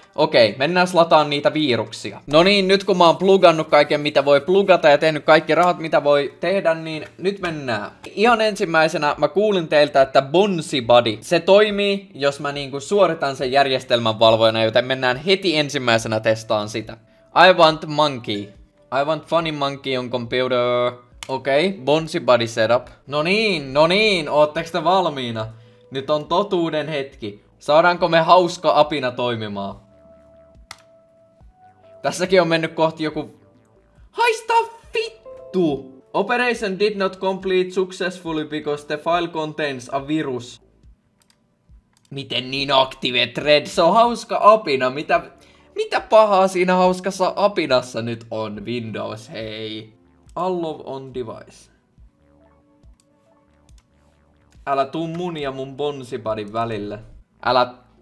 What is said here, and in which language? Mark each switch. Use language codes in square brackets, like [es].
[fi] Okei, mennään lataan niitä viruksia. No niin, nyt kun mä oon plugannut kaiken mitä voi plugata ja tehnyt kaikki rahat mitä voi tehdä, niin nyt mennään. Ihan ensimmäisenä mä kuulin teiltä, että Bonsibody, se toimii, jos mä niinku suoritan sen järjestelmän valvojana, joten mennään heti ensimmäisenä testaan sitä. [en] I want monkey. I want funny monkey on computer. Okei, Bonsibody setup. [fi] No niin, ootteks te valmiina? Nyt on totuuden hetki. Saadaanko me hauska apina toimimaan? Tässäkin on mennyt kohti joku... Haista vittu! [en] Operation did not complete successfully because the file contains a virus. [fi] Miten niin [en] active thread? [fi] Se on hauska apina. Mitä pahaa siinä hauskassa apinassa nyt on, Windows? Hei. [en] Allow on device. [fi] Älä tuu mun ja mun Bonsibodyn välille. Älä...